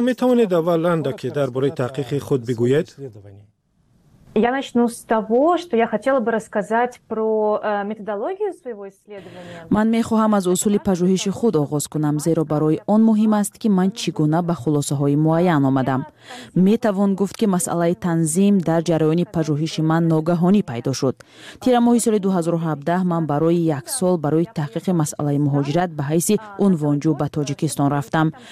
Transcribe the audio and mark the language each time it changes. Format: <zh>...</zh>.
<fa>می توانید اول اندکی درباره تحقیق خود بگویید؟</fa> <ru>Я начну с того, что я хотела бы рассказать про методологию своего исследования.</ru> <tg>Ман мехоҳам аз усули пажуҳиши худ оғоз кунам, зеро барои он муҳим аст ки ман чӣ гуна ба хулосаҳои муайян омадам. Метавон гуфт ки масъалаи танзим дар ҷараёни пажуҳиши ман ногаҳонӣ пайдо шуд. Тира моҳи соли 2017 ман барои як сол барои таҳқиқи масъалаи муҳоҷират ба ҳайси унвонҷӯ ба Тоҷикистон рафтам.</tg>